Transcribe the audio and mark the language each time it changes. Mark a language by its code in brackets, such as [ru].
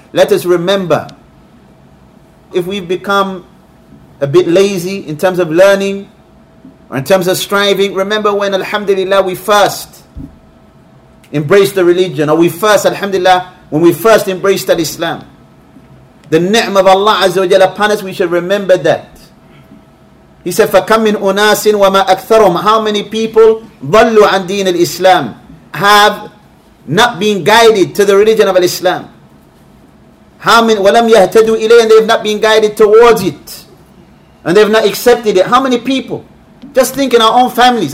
[en] Let us remember, if we've become a bit lazy in terms of learning or in terms of striving, remember when, alhamdulillah, we first embraced the religion, or we first, alhamdulillah, when we first embraced al-Islam, the ni'm of Allah Azza wa Jalla upon us, we should remember that. He said, [ar] فَكَمْ مِنْ أُنَاسٍ وَمَا أَكْثَرُهُمْ. [en] How many people [ar] ضَلُّ عَنْ دِينِ الْإِسْلَامِ, [en] have not been guided to the religion of al-Islam. How many [ar] وَلَمْ يَهْتَدُوا إِلَيْهِ, [en] and they've not been guided towards it. And they've not accepted it. How many people? Just think in our own families.